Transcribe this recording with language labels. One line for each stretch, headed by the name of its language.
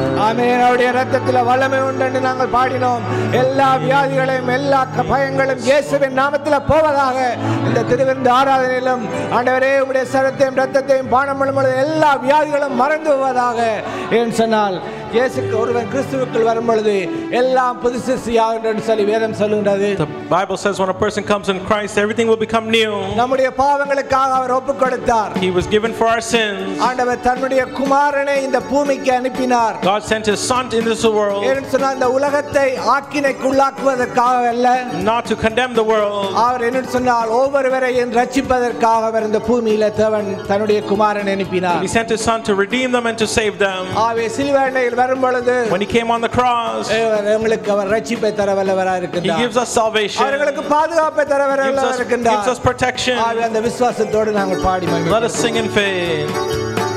Tamil: வல்லமை உண்டு நாங்கள் பாடினோம் எல்லா வியாதிகளையும் எல்லா பயங்களும் இயேசுவின் நாமத்தில் போவதாக இந்த திருவிந்து ஆராதனையிலும் ஆண்டவரே உம்முடைய சரத்தையும் ரத்தத்தையும் பானம் பண்ணும் எல்லா வியாதிகளும் மறந்து போவதாக என்று சொன்னால்
English: The Bible says when a person comes in Christ, everything will become new.
Tamil: நம்முடைய பாவங்களுக்காக அவர் ஒப்புக்கொடுத்தார்.
English: He was given for our sins.
Tamil: ஆண்டவர் தன்னுடைய குமாரனை இந்த பூமிக்கு அனுப்பினார்.
English: God sent his son in this world.
Tamil: என்னன்னா இந்த உலகத்தை ஆக்கினைக்குள்ளாக்குவதற்காக அல்ல.
English: Not to condemn the world.
Tamil: அவர் என்னன்னால் ஒவ்வொருவரையும் இரட்சிப்பதற்காக அவர் இந்த பூமியில் தேவன் தன்னுடைய குமாரனை அனுப்பினார்.
English: He sent his son to redeem them and to save them.
Tamil: ஆவே சிலுவையிலே
English: When he came on the cross, he gives us salvation. He gives us protection. Let us sing in faith.